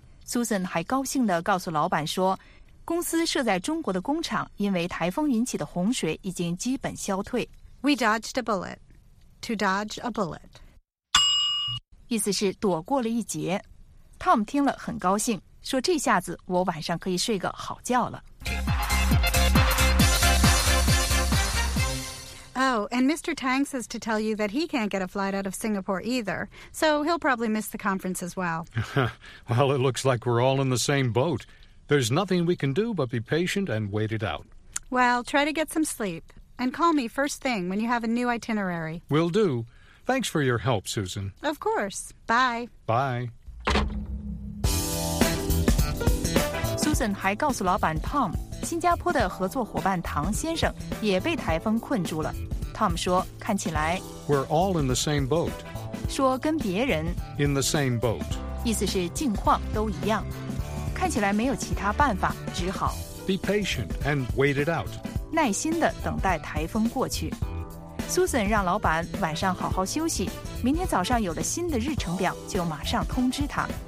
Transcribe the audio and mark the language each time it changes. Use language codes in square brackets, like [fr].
[zh] Susan 还高兴地告诉老板说，公司设在中国的工厂因为台风引起的洪水已经基本消退。 [en] We dodged a bullet. To dodge a bullet. [zh] 意思是躲过了一劫。 Tom 听了很高兴，说这下子我晚上可以睡个好觉了。 [en] Oh, and Mr. Tang says to tell you that he can't get a flight out of Singapore either, so he'll probably miss the conference as well. Well, it looks like we're all in the same boat. There's nothing we can do but be patient and wait it out. Well, try to get some sleep. And call me first thing when you have a new itinerary. Will do. Thanks for your help, Susan. Of course. Bye. Bye. [zh] Susan 还告诉老板 Tom, 新加坡的合作伙伴唐先生也被台风困住了。 Tom 说，看起来 [en] We're all in the same boat. [zh] 说跟别人 [en] In the same boat. [zh] 意思是境况都一样。看起来没有其他办法，只好 [en] Be patient and wait it out. [zh] 耐心地等待台风过去。 Susan 让老板晚上好好休息，明天早上有了新的日程表就马上通知他。